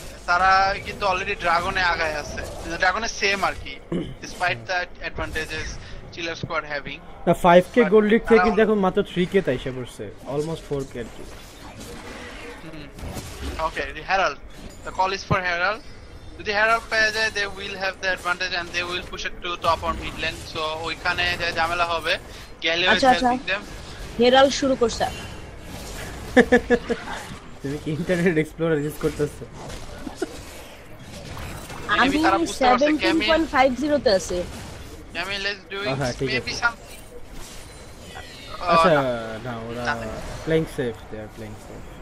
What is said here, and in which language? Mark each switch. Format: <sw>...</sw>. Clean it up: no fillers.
<bn>তারা কিন্তু অলরেডি ড্রাগনে আগায় আছে, ড্রাগনে সেম আর কি</bn> <en>Despite that advantages chiller squad having.</en> <bn>না 5k গোল্ড লিগ থেকে কিন্তু এখন মাত্র 3k তাই সে পড়ছে, অলমোস্ট 4k আর কি।</bn> <en>Okay, the Herald. The call is for Herald. If the Herald pay jay, they will have the advantage and they will push it to top or mid lane.</en> <bn>So, ওইখানে যে ঝামেলা হবে,</bn> <en>Galio is helping them.</en> <bn>Herald শুরু করছে। তুমি কি internet explorer use করতেছ? আমি 17.50 তে আছে। আমি লেটস ডু ইট। আচ্ছা, ঠিক আছে। আচ্ছা, না ওরা playing safe,</bn> <en>They are playing safe.</en>